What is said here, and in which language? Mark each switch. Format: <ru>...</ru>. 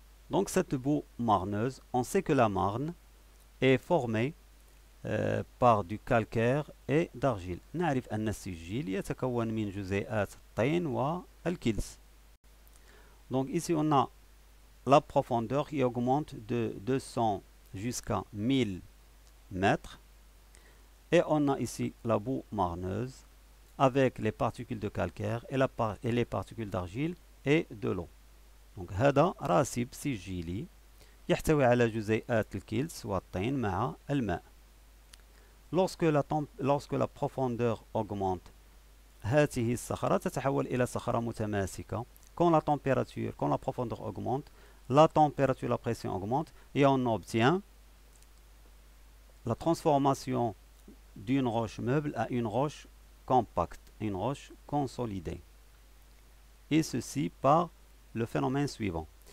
<fr>Donc cette boue marneuse, on sait que la marne est formée par du calcaire et d'argile.</fr> <ar>نعرف أن السجيل يتكون من جزيئات الطين والكلس.</ar> <fr>Donc ici on a la profondeur qui augmente de 200 jusqu'à 1000 mètres. Et on a ici la boue marneuse avec les particules de calcaire et, les particules d'argile et de l'eau.</fr> <ar>Donc, هذا راسب سجيلي يحتوي على جزيئات الكلس والطين مع الماء.</ar> <fr>Lorsque la profondeur augmente,</fr> <ar>هذه الصخرة تتحول إلى صخرة متماسكة.</ar> <fr>Quand la profondeur augmente, la température, la pression augmente et on obtient la transformation d'une roche meuble à une roche compacte, une roche consolidée. Et ceci par le phénomène suivant.</fr>